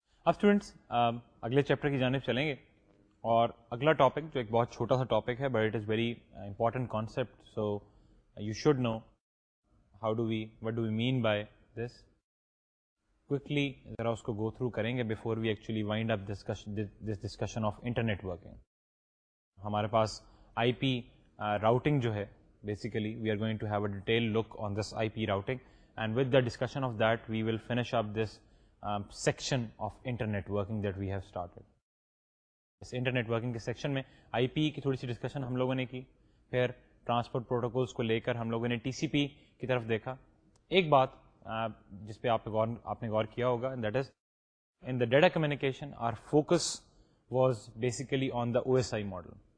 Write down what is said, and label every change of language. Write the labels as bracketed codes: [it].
[ur] اب اسٹوڈنٹس اگلے چیپٹر کی جانب چلیں گے, اور اگلا ٹاپک جو ایک بہت چھوٹا سا ٹاپک ہے [en] but it is very important concept, [ur] so [en] you should know what do we mean by this. Quickly [ur] zara usko [en] go through karenge before we actually wind up this discussion of internet working. [ur] Hamare paas IP routing jo hai, [en] basically we are going to have a detailed look on this IP routing, and with the discussion of that we will finish up this section of internet working that we have started. [ur] اس internet working کے section میں آئی پی کی تھوڑی سی discussion ہم لوگوں نے کی, پھر transport protocols کو لے کر ہم لوگوں نے ٹی سی پی کی طرف دیکھا. ایک بات جس پہ آپ نے غور کیا ہوگا, [en] That is in the data communication our focus was basically on the O S I model.